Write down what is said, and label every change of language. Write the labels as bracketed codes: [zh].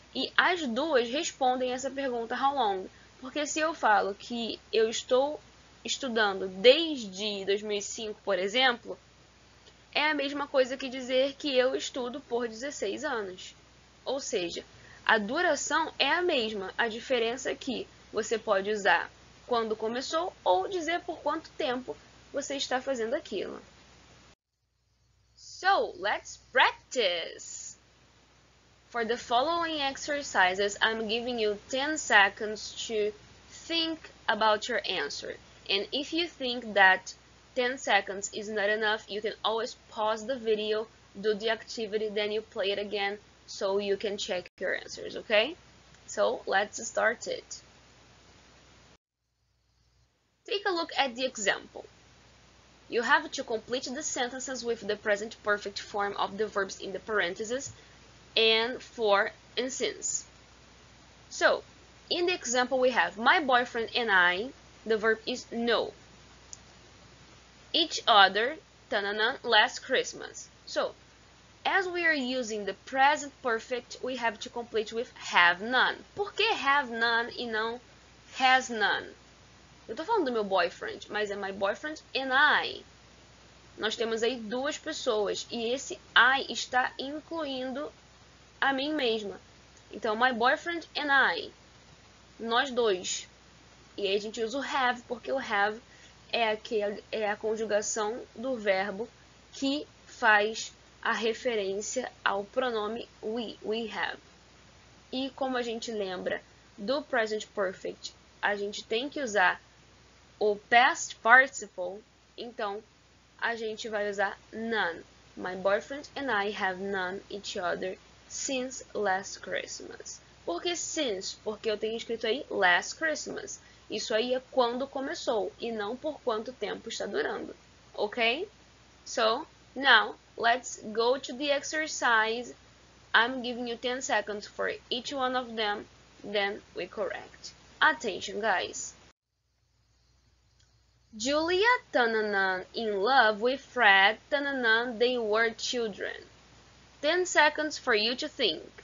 [pt] E as duas respondem essa pergunta [en] how long. [pt] Porque se eu falo que eu estou estudando desde 2005, por exemplo, é a mesma coisa que dizer que eu estudo por 16 anos. Ou seja, a duração é a mesma, a diferença é que você pode usar quando começou ou dizer por quanto tempo você está fazendo aquilo. [en] So, let's practice! For the following exercises, I'm giving you 10 seconds to think about your answer. And if you think that 10 seconds is not enough, you can always pause the video, do the activity, then you play it again, so you can check your answers, okay? So, let's start it. Take a look at the example. You have to complete the sentences with the present perfect form of the verbs in the parentheses, and for and since. So, in the example we have, my boyfriend and I, the verb is know. Each other, ta-na-na, last Christmas. So, as we are using the present perfect, we have to complete with have none. [pt] Por que have none e não has none? Eu tô falando do meu boyfriend, mas é [en] my boyfriend and I. [pt] Nós temos aí duas pessoas e esse I está incluindo a mim mesma. Então, [en] my boyfriend and I, [pt] nós dois. E aí a gente usa o have, porque o have é a conjugação do verbo que faz a referência ao pronome [en] we have. [pt] E como a gente lembra do present perfect, a gente tem que usar o past participle, então a gente vai usar none. [en] My boyfriend and I have known each other since last Christmas. [pt] Por que since? Porque eu tenho escrito aí last Christmas. Isso aí é quando começou e não por quanto tempo está durando, ok? [en] So, now, let's go to the exercise. I'm giving you 10 seconds for each one of them, then we correct. Attention, guys! Julia, in love with Fred, they were children. 10 seconds for you to think.